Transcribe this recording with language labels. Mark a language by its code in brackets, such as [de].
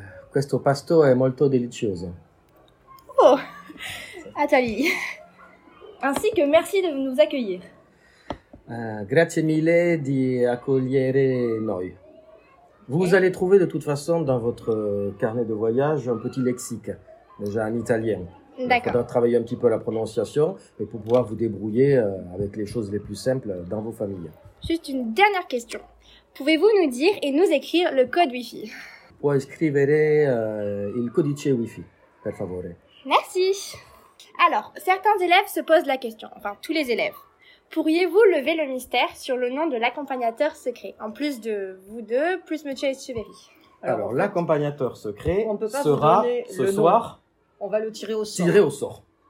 [it] Questo pasto è molto delizioso. [fr] Oh, Atali. Ainsi que merci de nous accueillir. [it] Grazie mille di accogliere noi. [fr] Vous allez trouver de toute façon dans votre carnet de voyage un petit lexique, déjà en italien. D'accord. Il faudra travailler un petit peu la prononciation et pour pouvoir vous débrouiller avec les choses les plus simples dans vos familles. Juste une dernière question. Pouvez-vous nous dire et nous écrire le code Wi-Fi? [it] Puoi scrivere il codice Wi-Fi, per favore. [fr] Merci. Alors, certains élèves se posent la question, enfin tous les élèves. Pourriez-vous lever le mystère sur le nom de l'accompagnateur secret, en plus de vous deux, plus Monsieur Echeverri? Alors, l'accompagnateur secret sera ce soir... On va le tirer au sort. Tirer au sort.